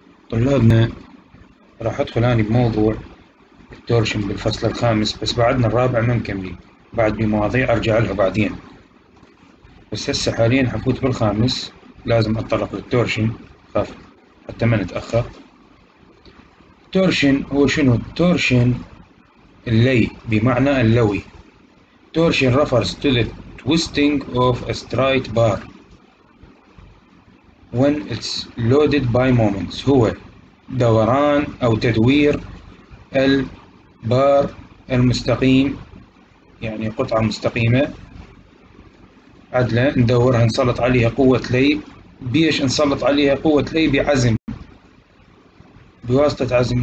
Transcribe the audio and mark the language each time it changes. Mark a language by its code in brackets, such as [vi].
[ar] طلابنا راح أدخل أنا بموضوع التورشن بالفصل الخامس، بس بعدنا الرابع ما مكملين، بعد بمواضيع أرجع لها بعدين، بس هسه حاليا حفوت بالخامس، لازم أتطرق للتورشن خاف حتى ما نتأخر. التورشن هو شنو؟ التورشن اللي بمعنى اللوي. [en] Torsion refers to the twisting of a straight bar when it's loaded by moments. [ar] هو دوران أو تدوير البار المستقيم، يعني قطعة مستقيمة عدلة ندورها نسلط عليها قوة لي. بيش نسلط عليها قوة لي؟ بعزم، بواسطة عزم.